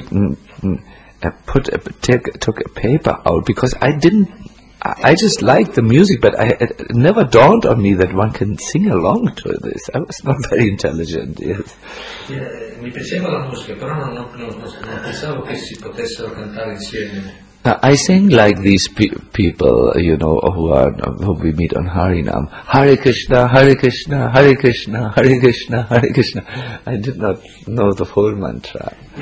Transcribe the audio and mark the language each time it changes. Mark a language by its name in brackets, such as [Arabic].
[English] took a paper out because I didn't. I just liked the music, but it never dawned on me that one can sing along to this. I was not very intelligent. Yes. [Italian] Mi piaceva la musica, però non pensavo che si potessero cantare insieme. [English] I sing like these people, you know, who we meet on Harinam. [Sanskrit] Hare Krishna, Hare Krishna, Hare Krishna, Hare Krishna, Hare Krishna. [English] I did not know the whole mantra.